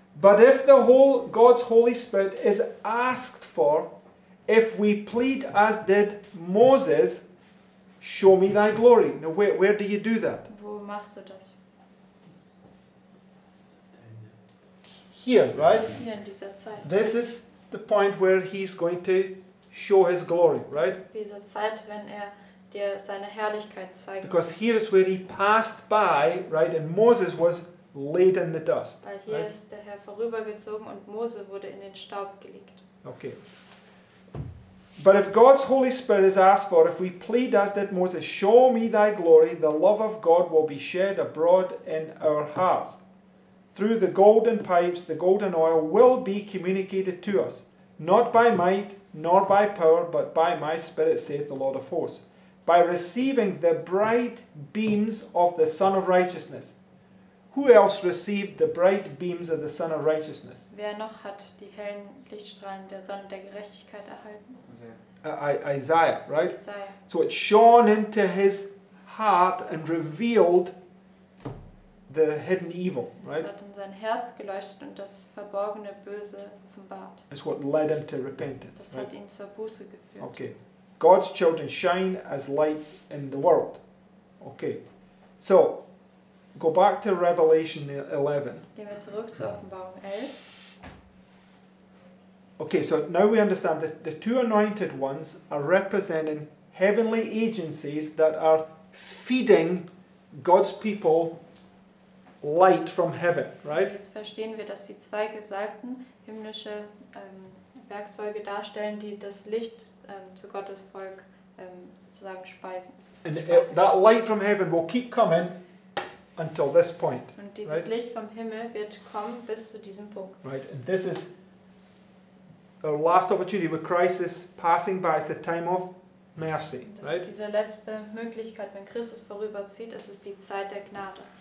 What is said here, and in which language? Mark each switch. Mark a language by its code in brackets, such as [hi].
[en] But if the whole God's Holy Spirit is asked for, if we plead as did Moses, show me thy glory. Now where do you do that? [de] Wo machst du das? [en] Here, right? [de] Hier in dieser Zeit. [en] This is the point where he's going to show his glory, right? [de] Diese Zeit, wenn er dir seine Herrlichkeit zeigt. [en] Because here is where he passed by, right? And Moses was laid in the dust. [de] Weil hier [en] right? [de] ist der Herr vorübergezogen und Mose wurde in den Staub gelegt. [en] Okay. But if God's Holy Spirit is asked for, if we plead as did Moses, show me thy glory, the love of God will be shed abroad in our hearts. Through the golden pipes, the golden oil will be communicated to us, not by might, nor by power, but by my Spirit, saith the Lord of hosts. By receiving the bright beams of the Son of Righteousness. Who else received the bright beams of the Son of Righteousness? [de] Wer noch hat die hellen Lichtstrahlen der Sonne der Gerechtigkeit erhalten? [en] Isaiah, right? Isaiah. So it shone into his heart and revealed the hidden evil, right? [de] Es hat in sein Herz geleuchtet und das verborgene Böse offenbart. [en] It's what led him to repentance. [de] Das [en] right? [de] hat ihn zur Buße geführt. [en] Okay. God's children shine as lights in the world. Okay. So, go back to Revelation 11. [de] Gehen wir zurück zur Offenbarung 11. [en] Okay, so now we understand that the two anointed ones are representing heavenly agencies that are feeding God's people light from heaven, right? [de] Jetzt verstehen wir, dass die zwei gesalbten himmlische Werkzeuge darstellen, die das Licht zu Gottes Volk sozusagen speisen. [en] And that light from heaven will keep coming until this point. [de] Und dieses [en] right? [de] Licht vom Himmel wird kommen bis zu diesem Punkt. [en] Right, and this is our last opportunity where Christ is passing by. It's the time of mercy, [de] das [en] right? [de] Ist diese letzte Möglichkeit, wenn Christus vorüberzieht, es ist die Zeit der Gnade.